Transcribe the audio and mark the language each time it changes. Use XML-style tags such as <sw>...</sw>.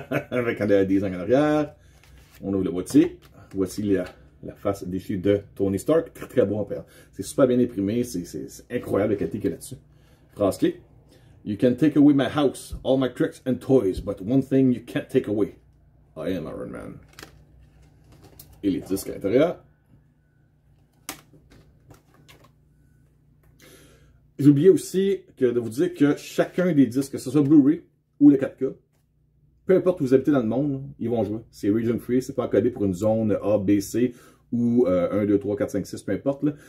<fr>Avec un des 10 ans en arrière. On ouvre le boîtier. Voici la face déchirée de Tony Stark. Très, très bon père. C'est super bien imprimé. C'est incroyable la qualité qu'il y a là-dessus. Phrase clé.</fr> <en>You can take away my house, all my tricks and toys, but one thing you can't take away. I am Iron Man.</en> <fr>Et les disques à l'intérieur. J'ai oublié aussi que de vous dire que chacun des disques, que ce soit Blu-ray ou le 4K, peu importe où vous habitez dans le monde, ils vont jouer. C'est region free, c'est pas codé pour une zone A, B, C ou 1, 2, 3, 4, 5, 6, peu importe. Là.</fr>